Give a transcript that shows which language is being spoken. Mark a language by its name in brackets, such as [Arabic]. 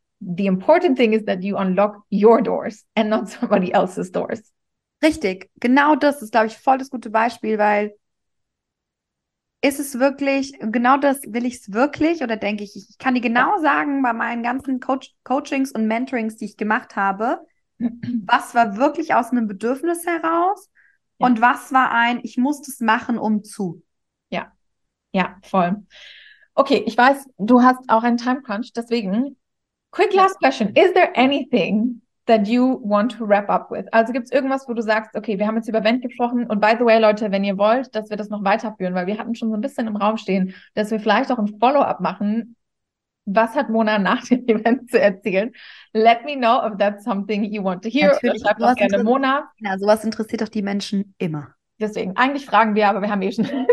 [English] The important thing is that you unlock your doors and not somebody else's doors. [German] Richtig, genau das ist, glaube ich, voll das gute Beispiel, weil ist es wirklich, genau das will ich es wirklich oder denke ich, ich kann dir genau sagen, bei meinen ganzen Coachings und Mentorings, die ich gemacht habe, was war wirklich aus einem Bedürfnis heraus und was war ein, ich muss das machen, um zu. Ja, voll. Okay, ich weiß, du hast auch einen Time Crunch, deswegen, [English] quick last question, is there anything that you want to wrap up with? [German] Also gibt's irgendwas, wo du sagst, okay, wir haben jetzt über Event gesprochen und [English] by the way, [German] Leute, wenn ihr wollt, dass wir das noch weiterführen, weil wir hatten schon so ein bisschen im Raum stehen, dass wir vielleicht auch ein Follow-up machen, was hat Mona nach dem Event zu erzählen? [English] Let me know if that's something you want to hear. [German] Natürlich, schreib doch gerne Mona. Ja, sowas interessiert doch die Menschen immer. Deswegen, eigentlich fragen wir, aber wir haben eh schon.